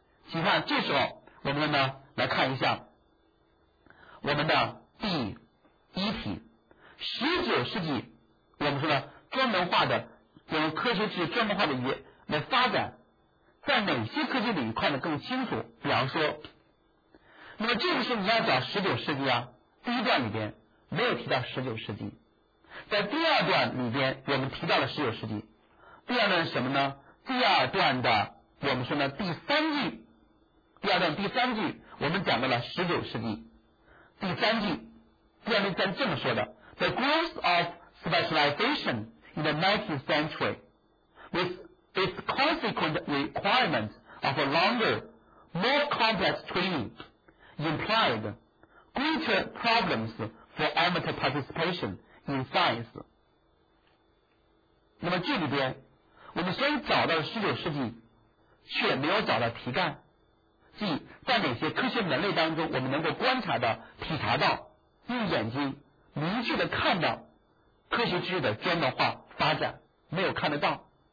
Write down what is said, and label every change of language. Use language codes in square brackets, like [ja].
[zh] 你看这时候我们呢来看一下我们的第一题，19世纪我们说呢专门化的我们科学知识专门化的语言的发展在哪些科技领域看得更清楚，比方说，那么这个时候你要讲19世纪啊，第一段里边没有提到19世纪，在第二段里边我们提到了19世纪，第二段是什么呢？第二段的我们说呢第三句，第二段第三句我们讲到了19世纪，第三句第二段这么说的， [en] The growth of specialization in the 19th century with its consequent requirement of a longer more complex training implied greater problems for amateur participation in science。 [zh] 那么这里边我们虽然找到了19世纪却没有找到题干，即在哪些科学门类当中我们能够观察到体察到用眼睛明确的看到科学知识的专门化发展，没有看得到。